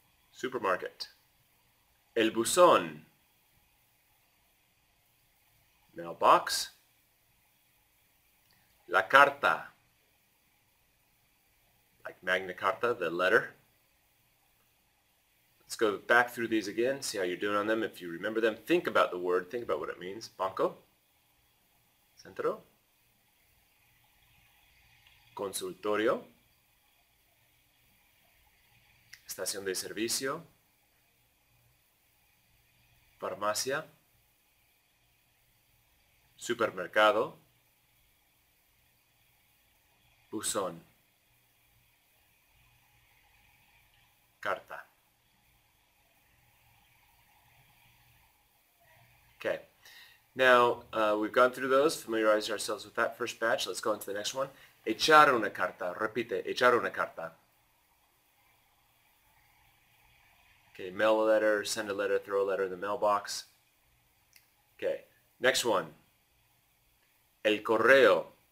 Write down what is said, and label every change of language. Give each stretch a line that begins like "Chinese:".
English: Supermarket. El buzón, mailbox, la carta, like Magna Carta, the letter. Let's go back through these again, see how you're doing on them. If you remember them, think about the word, think about what it means.
Spanish: Banco, centro, consultorio, estación de servicio, farmacia, supermercado, buzón, carta.
English: Okay, now we've gone through those, familiarized ourselves with that first batch. Let's go into the next one.
Spanish: Echar una carta, repite, echar una carta.
English: Okay, mail a letter, send a letter, throw a letter in the mailbox. Okay, next one. El correo.